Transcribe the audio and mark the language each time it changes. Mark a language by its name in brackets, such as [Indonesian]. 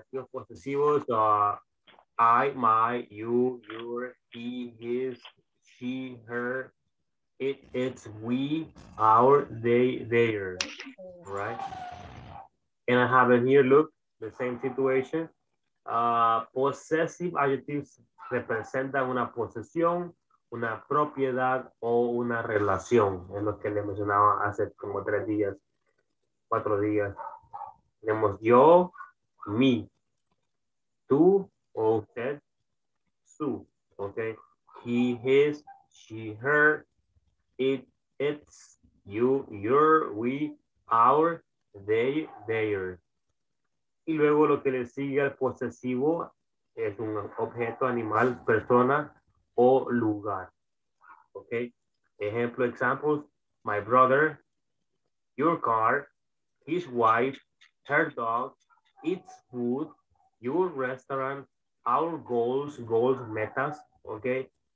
[English] Possessivos, I, my, you, your, he, his, she, her, it, it's, we, our, they, their, right? And I have it here, look, the same situation. Possessive adjectives [Spanish] representan una posesión, una propiedad o una relación. Es lo que le mencionaba hace como tres días, cuatro días. Tenemos yo, me. Tú o usted, su, okay. [English] He, his, she, her, it, it's, you, your, we, our, they, their. [Spanish] Y luego lo que le sigue al posesivo es un objeto, animal, persona o lugar. [English] Okay. Ejemplo, examples, my brother, your car, his wife, her dog, its food, your restaurant, our goals, [Spanish] metas, [English] okay?